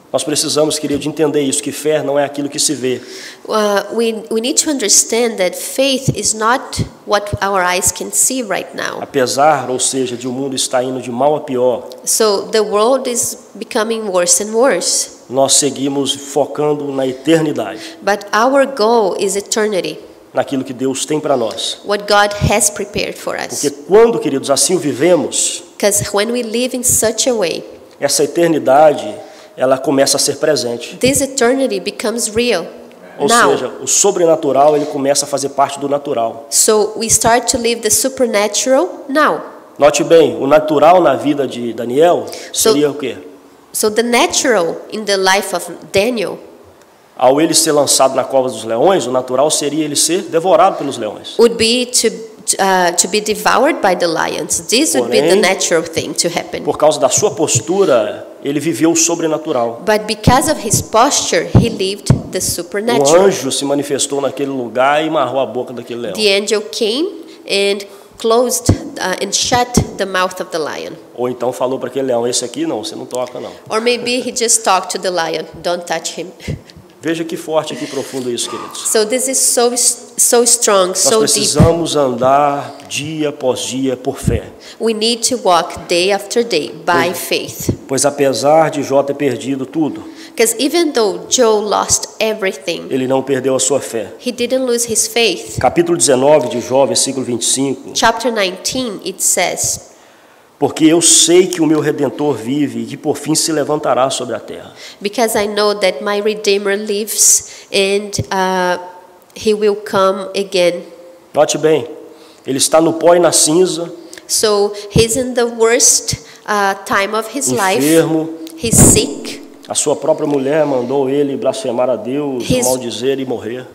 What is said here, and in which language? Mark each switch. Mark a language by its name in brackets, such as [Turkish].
[Portuguese] Nós precisamos, querido, entender isso, que fé não é aquilo que se vê. [English] We need to understand that faith is not what our eyes can see right now. [Portuguese] Apesar, ou seja, de o mundo estar indo de mal a pior. [English] So the world is becoming worse and worse. [Portuguese] Nós seguimos focando na eternidade. [English] But our goal is eternity. [Portuguese] Naquilo que Deus tem para nós. [English] What God has prepared for us. [Portuguese] Porque quando, queridos, assim o vivemos. [English] Because when we live in such a way. [Portuguese] Essa eternidade, ela começa a ser presente. [English] This eternity becomes real. [Portuguese] Ou [English] now, [Portuguese] seja, o sobrenatural, ele começa a fazer parte do natural. [English] So we start to live the supernatural now. [Portuguese] Note bem, o natural na vida de Daniel seria [English] so, [Portuguese] o quê? [English] So the natural in the life of Daniel. [Portuguese] Ao ele ser lançado na cova dos leões, o natural seria ele ser devorado pelos leões. [English] Would be to be devoured by the lions. This [Portuguese] Porém, [English] would be the natural thing to happen. [Portuguese] Por causa da sua postura, ele viveu o sobrenatural. [English] But because of his posture, he lived the supernatural. [Portuguese] O anjo se manifestou naquele lugar e amarrou a boca daquele leão. [English] The angel came and closed and shut the mouth of the lion. [Portuguese] Ou então falou para aquele leão, esse aqui não, você não toca não. [English] Or maybe he just talked to the lion, don't touch him. [Portuguese] Veja que forte, que profundo isso, queridos. [English] So this is so strong, so deep. [Portuguese] Nós precisamos andar dia após dia por fé. [English] We need to walk day after day by faith. [Portuguese] Pois apesar de Jó ter perdido tudo. [English] Because even though Joe lost everything. [Portuguese] Ele não perdeu a sua fé. [English] He didn't lose his faith. [Portuguese] Capítulo 19 de Jó, versículo 25. [English] Chapter 19, it says. [Portuguese] Porque eu sei que o meu Redentor vive e que por fim se levantará sobre a terra. [English] Because I know that my Redeemer lives and he will come again. [Portuguese] Note bem, ele está no pó e na cinza. [English] So he's in the worst time of his life. [Portuguese] Enfermo. [English] He's sick. [Portuguese] A sua própria mulher mandou ele blasfemar a Deus, maldizer e morrer.